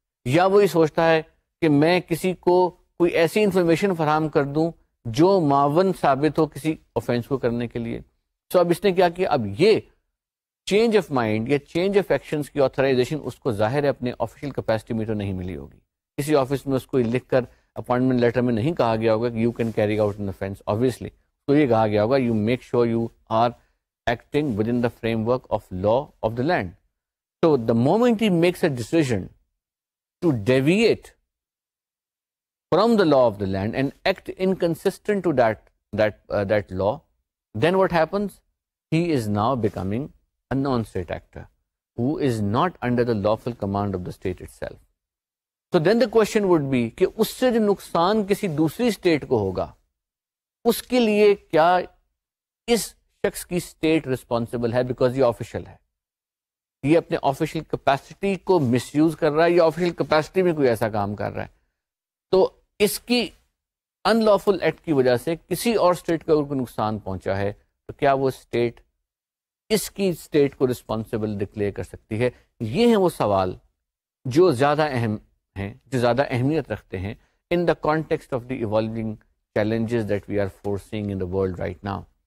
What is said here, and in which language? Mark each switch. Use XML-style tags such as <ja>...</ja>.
<ur>یا وہی سوچتا ہے کہ میں کسی کو کوئی ایسی انفارمیشن فراہم کر دوں جو معاون ثابت ہو کسی آفینس کو کرنے کے لیے. سو اب اس نے کیا کہ اب یہ چینج آف مائنڈ یا چینج آف ایکشنز کی آتھرائزیشن اس کو ظاہر ہے اپنے آفیشیل کیپیسٹی میں تو نہیں ملی ہوگی. کسی آفس میں اس کو لکھ کر اپوائنٹمنٹ لیٹر میں نہیں کہا گیا ہوگا کہ</ur> <en>You can carry out an offence. Obviously</en> <ur>تو یہ کہا گیا ہوگا</ur> <en>You make sure you are acting within the framework of law of the land. So the moment he makes a decision to deviate from the law of the land and act inconsistent to that law, then what happens? He is now becoming a non-state actor who is not under the lawful command of the state itself.</en> <ur>تو</ur> <en>then the question would be</en> <ur>کہ اس سے جو نقصان کسی دوسری state کو ہوگا اس کے لیے کیا اس شخص کی اسٹیٹ ریسپانسبل ہے بیکاز یہ آفیشیل ہے, یہ اپنے آفیشیل کیپیسٹی کو مس یوز کر رہا ہے, یہ آفیشیل کیپیسٹی میں کوئی ایسا کام کر رہا ہے, تو اس کی ان لافل ایکٹ کی وجہ سے کسی اور اسٹیٹ کا اگر کوئی نقصان پہنچا ہے تو کیا وہ اسٹیٹ اس کی اسٹیٹ کو ریسپانسبل ڈکلیئر کر سکتی ہے؟ یہ ہیں وہ سوال جو زیادہ اہم ہیں, جو زیادہ اہمیت رکھتے ہیں</ur> <en>In the context of the evolving challenges that we are facing in the world right now.</en>